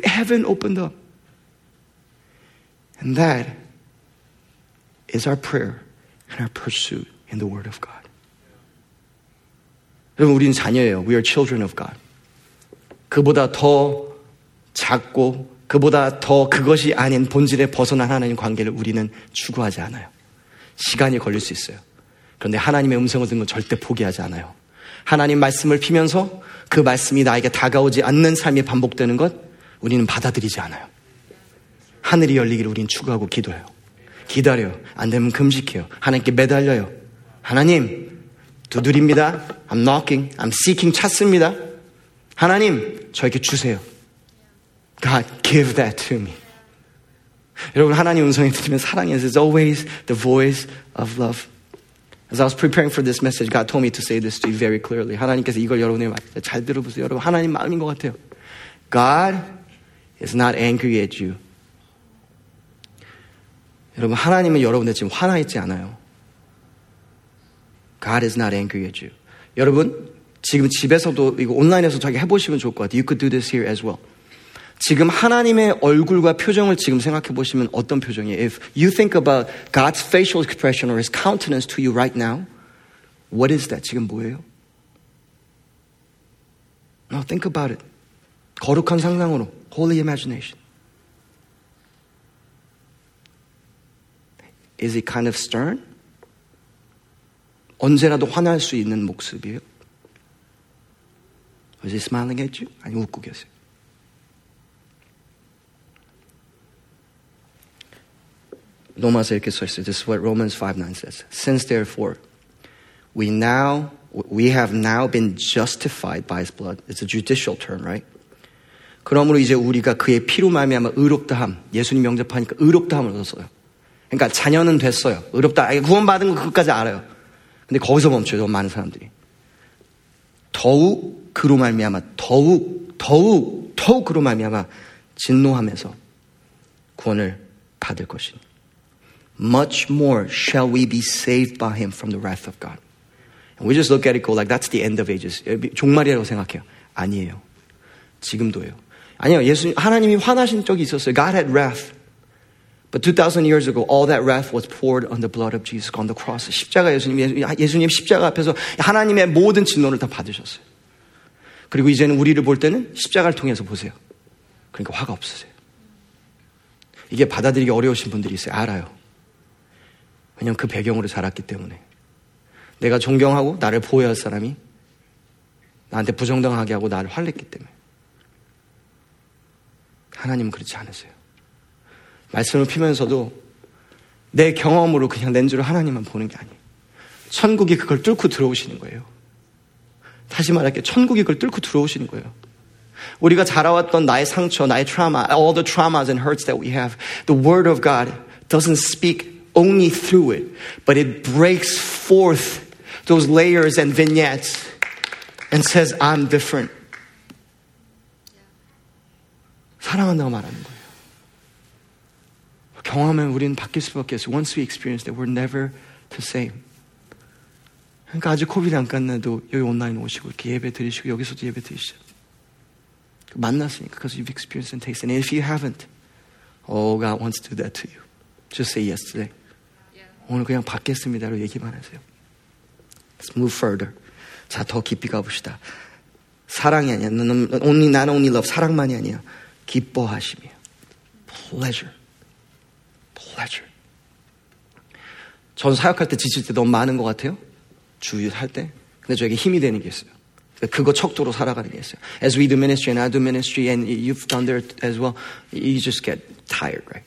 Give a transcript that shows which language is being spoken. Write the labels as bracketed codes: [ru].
[en] Heaven opened up. And that is our prayer and our pursuit in the word of God. [ko] 여러분 우리는 자녀예요. [en] We are children of God. [ko] 그보다 더 작고 그보다 더 그것이 아닌 본질에 벗어난 하나님 관계를 우리는 추구하지 않아요. 시간이 걸릴 수 있어요. 그런데 하나님의 음성을 듣는 건 절대 포기하지 않아요. 하나님 말씀을 피면서 그 말씀이 나에게 다가오지 않는 삶이 반복되는 것 우리는 받아들이지 않아요. 하늘이 열리기를 우리는 추구하고 기도해요. 기다려요. 안 되면 금식해요. 하나님께 매달려요. 하나님 두드립니다. [en] I'm knocking. I'm seeking. [ko] 찾습니다. 하나님 저에게 주세요. [en] God, give that to me. [ko] 여러분 하나님 음성이 들리면 사랑이 [en] is always the voice of love. As I was preparing for this message, God told me to say this to you very clearly. [ko] 하나님께서 이걸 여러분에게 잘 들어보세요. 여러분, 하나님 마음인 것 같아요. [en] God is not angry at you. [ko] 여러분, 하나님은 여러분에게 지금 화나 있지 않아요. [en] God is not angry at you. [ko] 여러분, 지금 집에서도 이거 온라인에서 자기 해보시면 좋을 것 같아요. [en] You could do this here as well. [ko] 지금 하나님의 얼굴과 표정을 지금 생각해 보시면 어떤 표정이에요? [en] If you think about God's facial expression or his countenance to you right now, what is that? [ko] 지금 뭐예요? [en] No, think about it. [ko] 거룩한 상상으로. [en] Holy imagination. Is he kind of stern? [ko] 언제라도 화날 수 있는 목습이에요? [en] Was he smiling at you? [ko] 아니, 웃고 계세요? Romans에 이렇게 써 있어요. [en] This is what Romans 5:9 says. Since therefore, we have now been justified by his blood. It's a judicial term, right? [ko] 그러므로 이제 우리가 그의 피로 말미암아 의롭다함. 예수님 영접하니까 의롭다함을 얻었어요. 그러니까 자녀는 됐어요. 의롭다. 구원받은 거 그것까지 알아요. 근데 거기서 멈춰요. 많은 사람들이. 더욱 그로 말미암아 더욱 그로 말미암아 진노함에서 구원을 받을 것이니. Much more shall we be saved by him from the wrath of God. And we just look at it go like that's the end of ages. 종말이라고 생각해요. 아니에요. 지금도요. 아니요. 예수님 하나님이 화나신 적이 있었어요. [en] God had wrath. But 2000 years ago all that wrath was poured on the blood of Jesus on the cross. [ko] 십자가 예수님 십자가 앞에서 하나님의 모든 진노를 다 받으셨어요. 그리고 이제는 우리를 볼 때는 십자가를 통해서 보세요. 그러니까 화가 없으세요. 이게 받아들이기 어려우신 분들이 있어요. 알아요. 왜냐면 그 배경으로 자랐기 때문에. 내가 존경하고 나를 보호할 사람이 나한테 부정당하게 하고 나를 화냈기 때문에. 하나님은 그렇지 않으세요. 말씀을 피면서도 내 경험으로 그냥 렌즈로 하나님만 보는 게 아니에요. 천국이 그걸 뚫고 들어오시는 거예요. 다시 말할게요. 천국이 그걸 뚫고 들어오시는 거예요. 우리가 자라왔던 나의 상처, 나의 트라우마, [en] all the traumas and hurts that we have, the word of God doesn't speak only through it, but it breaks forth those layers and vignettes and says, I'm different. [ko] 사랑한다고 말하는 거예요. 경험하면 우리는 바뀔 수밖에 없어요. [en] Once we experience that, we're never the same. [ko] 그러니까 아직 코비드 안 끝나도 여기 온라인 오시고 이렇게 예배 드리시고 여기서도 예배 드리시죠. 만났으니까 [en] because you've experienced and tasted. And if you haven't, oh, God wants to do that to you. Just say yes today. Yeah. [ko] 오늘 그냥 받겠습니다로 얘기만 하세요. [en] Let's move further. [ko] 자, 더 깊이 가봅시다. 사랑이 아니야. [en] Not only love, [ko] 사랑만이 아니야. 기뻐하심이야. [en] Pleasure. [ko] 전 사역할 때 지칠 때 너무 많은 것 같아요. 주일할 때. 근데 저에게 힘이 되는 게 있어요. 그거 척도로 살아가는 게 있어요. [en] As we do ministry and I do ministry and you've done there as well, you just get tired, right?